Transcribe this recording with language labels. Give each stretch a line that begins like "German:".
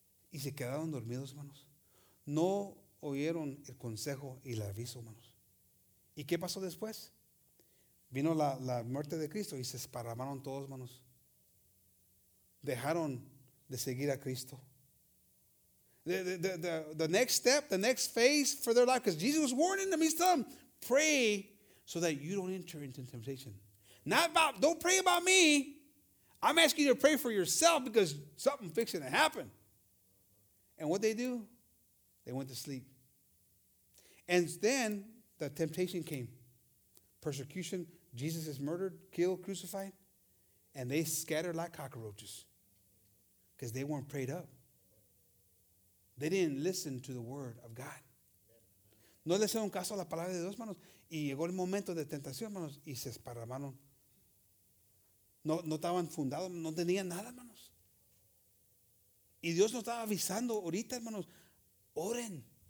Spanish: Y se quedaron dormidos, hermanos. No oyeron el consejo y el aviso, hermanos. ¿Y qué pasó después? Vino la muerte de Cristo y se esparramaron todos, hermanos. Dejaron de seguir a Cristo.
English: The next step, the next phase for their life, because Jesus was warning them, he's telling them, pray so that you don't enter into temptation. Don't pray about me. I'm asking you to pray for yourself because something fixing to happen. And what they do? They went to sleep. And then the temptation came. Persecution. Jesus is murdered, killed, crucified. And they scattered like cockroaches because they weren't prayed up. They didn't listen to the word of God.
Spanish: No le hicieron caso a la palabra de Dios, hermanos. Y llegó el momento de tentación, hermanos, y se esparramaron. No estaban fundados, no tenían nada, hermanos. Y Dios nos estaba avisando ahorita, hermanos, oren.